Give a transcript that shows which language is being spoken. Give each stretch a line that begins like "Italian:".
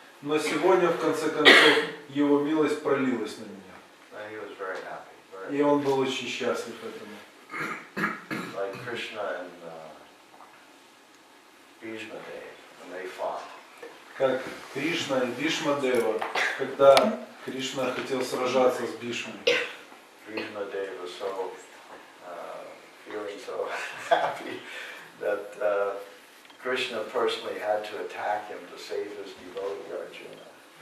Russian: Но сегодня в конце концов его милость пролилась на меня.
English: And he was very happy.
Russian: И он был очень счастлив этому.
English: Like Krishna and Bhishma Dev, when they fought.
Russian: Как Кришна и Бишма Дева, когда Кришна хотел сражаться с Бишмой.
English: Bhishma Dev was so feeling so happy that Krishna personally had to attack him to save his devotee Arjuna.